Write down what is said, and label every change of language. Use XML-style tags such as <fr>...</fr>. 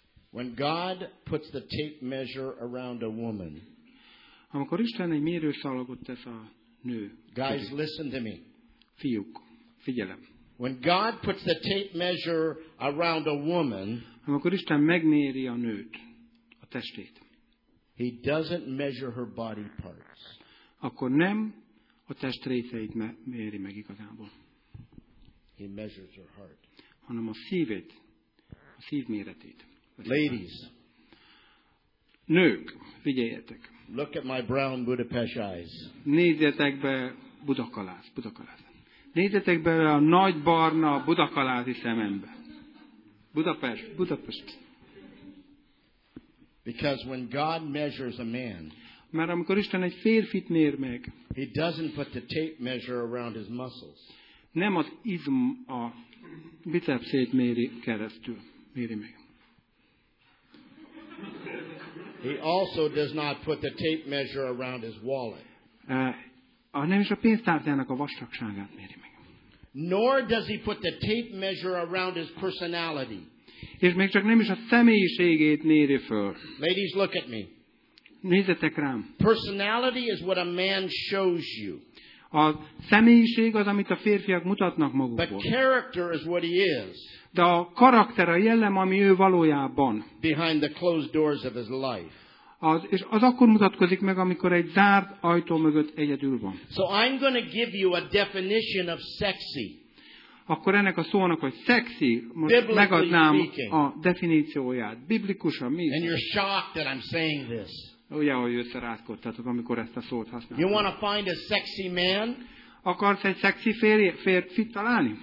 <en>When God puts the tape measure around a woman,</en> <hu>amikor Isten egy mérőszalagot tesz a nő.</hu> <en>Guys, listen to me.</en> <hu>Fiúk, figyelem.</hu> <en>When God puts the tape measure around a woman,</en> <hu>amikor Isten megméri a nőt, a testét.</hu> <en>He doesn't measure her body parts.</en> <hu>Akkor nem a test részeit méri meg igazából.</hu> <en>He measures her heart.</en> <hu>Hanem a szívét, a szív méretét.</hu> <en>Ladies,</en> <hu>nők, figyeljetek.</hu> <en>Look at my brown Budapest eyes.</en> <hu>Nézzetek be Budakaláz. Nézzetek be a nagy barna budakalázi szemembe.</hu> <en>Budapest. Because when God measures a man,</en> <hu>mert amikor Isten egy férfit mér meg,</hu> <en>he doesn't put the tape measure around his muscles.</en> <hu>Nem az izm a bicepsét méri keresztül, méri meg.</hu> <en>He also does not put the tape measure around his wallet.</en> <hu>Nem is a pénztárcának a vastagságát méri meg.</hu> <en>Nor does he put the tape measure around his personality.</en> <hu>És még csak nem is a személyiségét méri föl.</hu> <en>Ladies, look at me.</en> <hu>Nézzetek rám.</hu> <en>Personality is what a man shows you.</en> <hu>A személyiség az, amit a férfiak mutatnak magukból.</hu> <en>But character is what he is.</en> <hu>De a karakter, a jellem, ami ő valójában.</hu> <en>Behind the closed doors of his life.</en> <hu>És az akkor mutatkozik meg, amikor egy zárt ajtó mögött egyedül van.</hu> <en>So I'm going to give you a definition of sexy.</en> <hu>Akkor ennek a szónak, hogy szexi, most megadnám a definícióját. Biblikusan mi?</hu> <en>And you're shocked that I'm saying this.</en> <hu>Ugye, ahogy összerázkodtatok, amikor ezt a szót használtam.</hu> <en>You want to find a sexy man?</en> <hu>Akarsz egy szexi férfit találni?</hu>